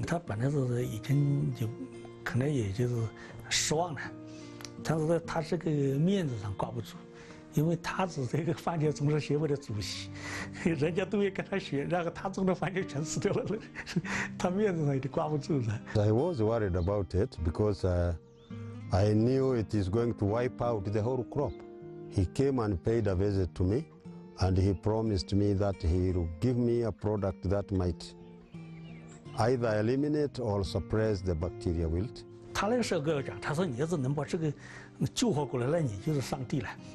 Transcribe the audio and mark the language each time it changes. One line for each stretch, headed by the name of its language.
Chinese: 它本来是已经就可能也就是失望了，但是它这个面子上挂不住，因为它是这个番茄种植协会的主席，人家都要跟他学，然后他种的番茄全死掉了，他面子上也挂不住了。
English: I was worried about it because I knew it is going to wipe out the whole crop. He came and paid a visit to me. And he promised me that he will give me a product that might either eliminate or suppress the bacteria wilt.
Chinese: 他那个时候跟我讲，他说你要是能把这个救活过来，那你就是上帝了。